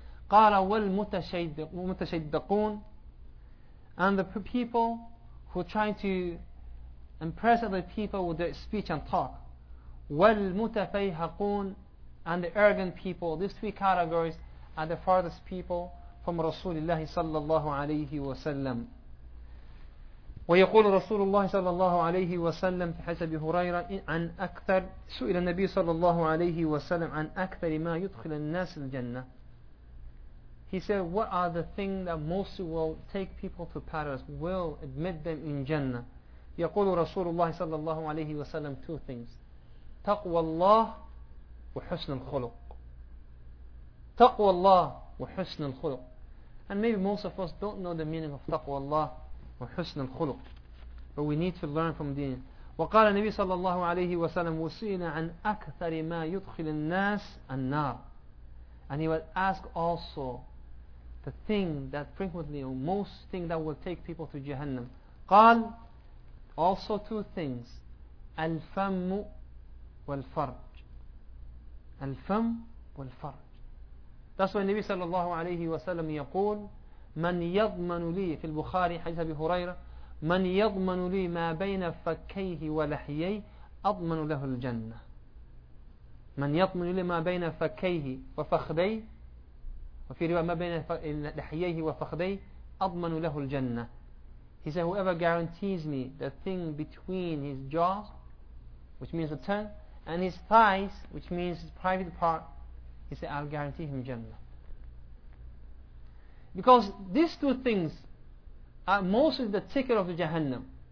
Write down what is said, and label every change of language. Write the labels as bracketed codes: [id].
[ar] قال والمتشدقون, [en] and the people who try to impress other people with their speech and talk. [ar] والمتفيهقون, [en] and the arrogant people, these three categories are the farthest people from Rasulullah sallallahu alayhi wa sallam. [ar] ويقول رسول الله صلى الله عليه وسلم في حديث أبي هريرة عن أكثر سئل النبي صلى الله عليه وسلم عن أكثر ما يدخل الناس الجنة. [en] He said, what are the things that most will take people to paradise, will admit them in Jannah? [ar] يقول رسول الله صلى الله عليه وسلم [en] two things: [ar] تقوى الله وحسن الخلق. تقوى الله وحسن الخلق. [en] And maybe most of us don't know the meaning of [ar] تقوى الله وحسن الخلق, [en] but we need to learn from Deen. [ar] وقال النبي صلى الله عليه وسلم وسئل عن أكثر ما يدخل الناس النار. [en] And he was asked also the thing that frequently, or most thing that will take people to Jahannam. [ar] قال [en] also two things: [ar] الفم والفرج. الفم والفرج. [en] That's why [ar] النبي صلى الله عليه وسلم يقول من يضمن لي, في البخاري حديث أبي هريرة, من يضمن لي ما بين فكيه ولحيي أضمن له الجنة. من يضمن لي ما بين فكيه وفخدي, وفي رواية ما بين لحييه وفخدي أضمن له الجنة. [en] He said, whoever guarantees me the thing between his jaws, which means the tongue, and his thighs, which means his private part, he said, I'll guarantee him Jannah. Because these two things are mostly the ticket of Jahannam.